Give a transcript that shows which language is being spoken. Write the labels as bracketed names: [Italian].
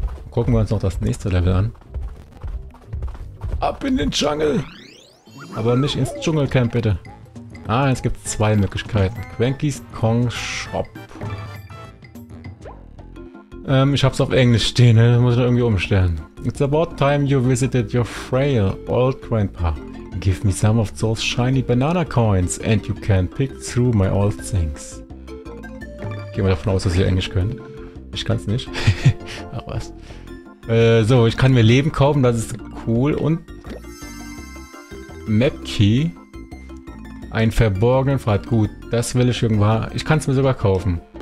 [German] Gucken wir uns noch das nächste Level an. Ab in den Dschungel! Aber nicht ins Dschungelcamp, bitte. Ah, es gibt zwei Möglichkeiten. Quankys Kong Shop. Ich hab's auf Englisch stehen, ne? Muss ich irgendwie umstellen. [English] It's about time you visited your frail old grandpa. Give me some of those shiny banana coins and you can pick through my old things. [German] Gehen wir davon aus, dass ihr Englisch könnt. Ich kann's nicht. Ach was. So, ich kann mir Leben kaufen, das ist cool. Und Map Key. Ein verborgenen Pfad. Gut, das will ich irgendwann. Ich kann es mir sogar kaufen.